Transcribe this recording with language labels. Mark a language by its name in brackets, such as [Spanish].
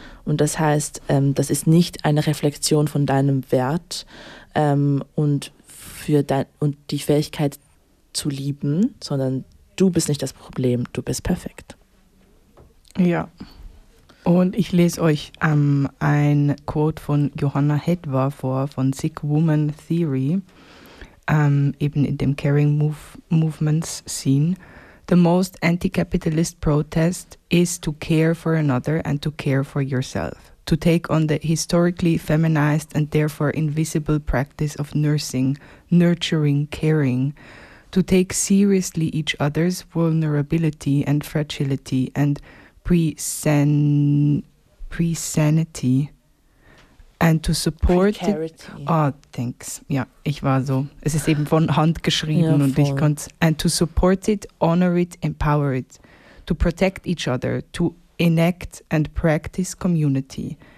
[German] Und das heißt, das ist nicht eine Reflexion von deinem Wert und für dein und die Fähigkeit zu lieben, sondern du bist nicht das Problem, du bist perfekt. Ja. Und ich lese euch ein Quote von Johanna Hedwar vor, von Sick Woman Theory, eben in dem Caring Movements Scene. [English] The most anti-capitalist protest is to care for another and to care for yourself. To take on the historically feminized and therefore invisible practice of nursing, nurturing, caring. To take seriously each other's vulnerability and fragility and pre-sanity. And to support... Precarity. It. Oh, thanks. [German] Ja, ich war so. Es ist eben von Hand geschrieben, ja, und ich konnte... [English] And to support it, honor it, empower it. To protect each other. To enact and practice community.